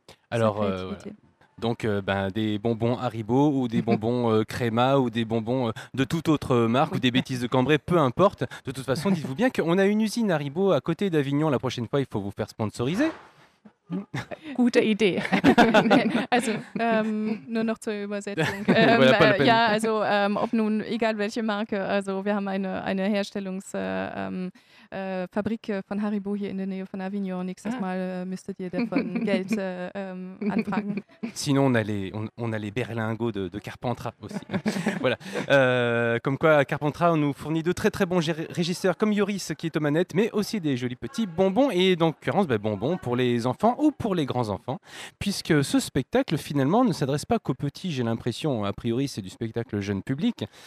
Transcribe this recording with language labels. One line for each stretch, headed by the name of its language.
French: Alors, sa créativité. Donc des bonbons Haribo ou des bonbons Créma ou des bonbons de toute autre marque ou des bêtises de Cambrai, peu importe. De toute façon, dites-vous bien qu'on a une usine Haribo à côté d'Avignon. La prochaine fois, il faut vous faire sponsoriser.
German: Gute Idee. Also, nur noch zur Übersetzung. Ja, also, ob nun, egal welche Marke, also wir haben eine Herstellungsfabrik von Haribo hier in der Nähe von Avignon. Nächstes Mal müsstet ihr davon Geld anfragen.
French: Sinon, on a les berlingots de Carpentras aussi. Voilà. Comme quoi, Carpentras, on nous fournit de très très bons régisseurs comme Yoris qui est aux manettes, mais aussi des jolis petits bonbons et en l'occurrence, bonbons pour les enfants ou pour les grands-enfants, puisque ce spectacle, finalement, ne s'adresse pas qu'aux petits, j'ai l'impression, a priori, c'est du spectacle jeune public.